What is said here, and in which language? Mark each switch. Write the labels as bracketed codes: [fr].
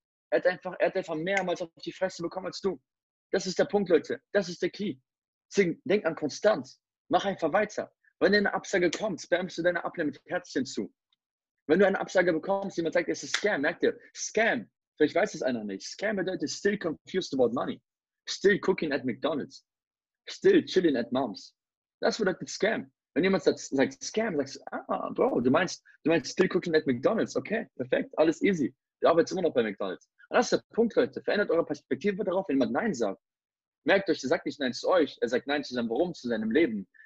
[de] Er hat einfach mehrmals auf die Fresse bekommen als du. Das ist der Punkt, Leute. Das ist der Key. Deswegen denk an Konstanz. Mach einfach weiter. Wenn eine Absage kommt, spammst du deine Ablehnung mit Herzchen zu. Wenn du eine Absage bekommst, jemand sagt, es ist Scam, merk dir, Scam. Vielleicht weiß es einer nicht. Scam bedeutet [en] still confused about money. Still cooking at McDonald's. Still chilling at mom's. [de] Das bedeutet Scam. Wenn jemand sagt Scam, sagst du, Bro, du meinst [en] still cooking at McDonald's. [de] Okay, perfekt, alles easy. Du arbeitest immer noch bei McDonald's. Und das ist der Punkt, Leute. Verändert eure Perspektive darauf, wenn jemand Nein sagt. Merkt euch, er sagt nicht Nein zu euch. Er sagt Nein zu seinem Warum, zu seinem Leben.